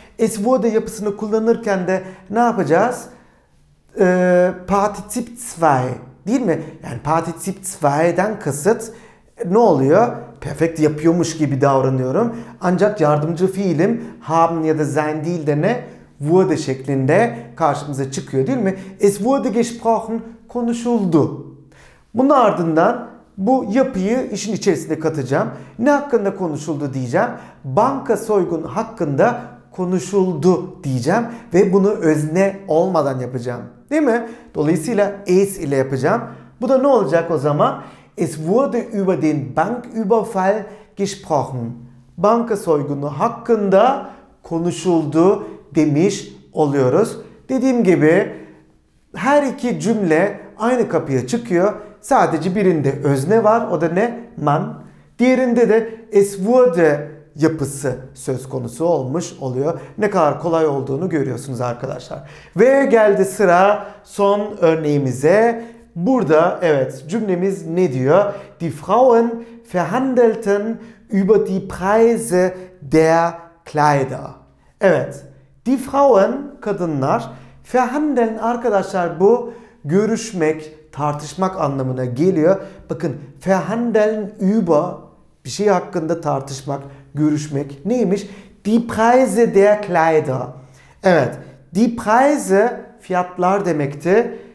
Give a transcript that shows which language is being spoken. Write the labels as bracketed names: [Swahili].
[Turkish] Es wurde yapısını kullanırken de ne yapacağız? Partizip 2 değil mi? Yani partizip 2'den kasıt ne oluyor? Perfekt yapıyormuş gibi davranıyorum. Ancak yardımcı fiilim haben ya da sein değil de ne? Wurde şeklinde karşımıza çıkıyor değil mi? [German] Es wurde gesprochen, [Turkish] konuşuldu. Bunun ardından bu yapıyı işin içerisine katacağım. Ne hakkında konuşuldu diyeceğim. Banka soygun hakkında konuşuldu diyeceğim. Ve bunu özne olmadan yapacağım. Değil mi? Dolayısıyla es ile yapacağım. Bu da ne olacak o zaman? [German] Es wurde über den Banküberfall gesprochen. [Turkish] Banka soygunu hakkında konuşuldu demiş oluyoruz. Dediğim gibi her iki cümle aynı kapıya çıkıyor. Sadece birinde özne var. O da ne? Man. Diğerinde de es wurde yapısı söz konusu olmuş oluyor. Ne kadar kolay olduğunu görüyorsunuz arkadaşlar. Ve geldi sıra son örneğimize. Burada evet cümlemiz ne diyor? [German] Die Frauen verhandelten über die Preise der Kleider. [Turkish] Evet. Die Frauen, kadınlar, verhandeln arkadaşlar bu görüşmek, tartışmak anlamına geliyor. Bakın verhandeln über bir şey hakkında tartışmak, görüşmek neymiş? [German] Die Preise der Kleider. [Turkish] Evet, [German] die Preise [Turkish] fiyatlar demekti.